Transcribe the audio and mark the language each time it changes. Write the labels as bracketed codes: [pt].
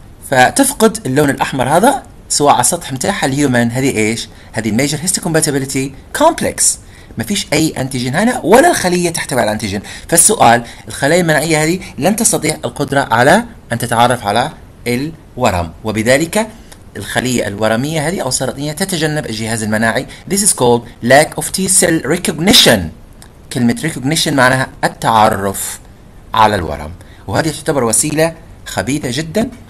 [ar] فتفقد اللون الأحمر هذا سواء على السطح متاحة الهيومن، هذه إيش؟ هذه major histocompatibility complex. ما فيش أي أنتيجين هنا ولا الخلية تحتوي على أنتيجين. فالسؤال، الخلايا المناعية هذه لن تستطيع القدرة على أن تتعرف على الورم، وبذلك الخلية الورمية هذه أو السرطانية تتجنب الجهاز المناعي. [en] This is called lack of T cell recognition. [ar] كلمة recognition معناها التعرف على الورم، وهذه تعتبر وسيلة خبيثة جدا.